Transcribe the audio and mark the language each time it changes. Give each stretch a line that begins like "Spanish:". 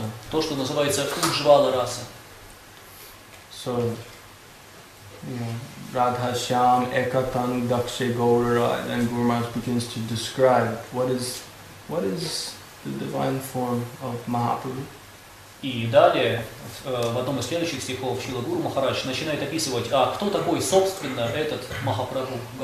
Russian: То, что называется Уджвала раса.
English: So,
Bangla: Radha Shyam Ekatan Dakshe Gaurara,
English: and Guru Maharaj begins to describe what is the divine form of Mahaprabhu.
Russian: И далее, в одном из следующих стихов, Шрила Гуру Махарадж начинает описывать, а кто такой, собственно, этот Махапрабху